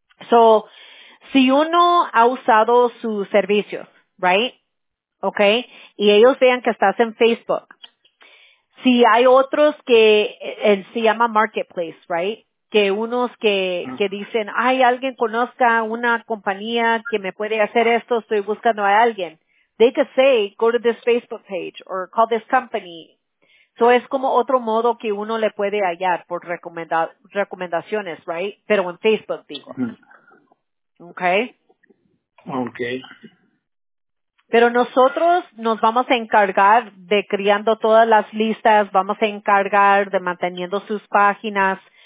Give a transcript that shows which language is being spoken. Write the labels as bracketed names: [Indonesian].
[Spanish] So, si uno ha usado sus servicios, right? Okay. Y ellos vean que estás en Facebook. Si hay otros que se llama Marketplace, right? Que unos que dicen, ay, alguien conozca una compañía que me puede hacer esto, estoy buscando a alguien. [English] They could say, go to this Facebook page or call this company. [Spanish] So, es como otro modo que uno le puede hallar por recomendaciones, right? Pero en Facebook, digo. Okay. Pero nosotros nos vamos a encargar de creando todas las listas, vamos a encargar de manteniendo sus páginas.